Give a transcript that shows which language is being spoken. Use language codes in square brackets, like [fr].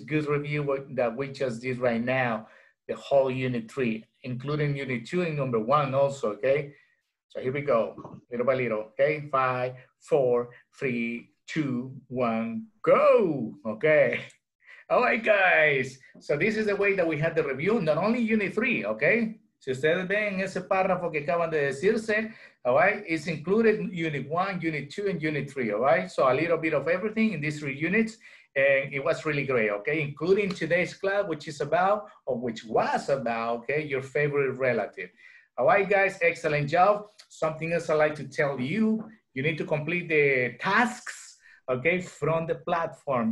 [en] Good review that we just did right now. The whole unit 3, including unit 2 and number 1 also, okay? So here we go, little by little, okay? 5, 4, 3, 2, 1, go! Okay. All right, guys. So this is the way that we had the review, not only unit 3, okay? [es] Si ustedes ven ese párrafo que acaban de decirse, [en] all right? It's included unit 1, unit 2, and unit 3, all right? So a little bit of everything in these 3 units. And it was really great, okay? Including today's class, which is about, or which was about, okay, your favorite relative. All right, guys, excellent job. Something else I'd like to tell you, you need to complete the tasks, okay, from the platform.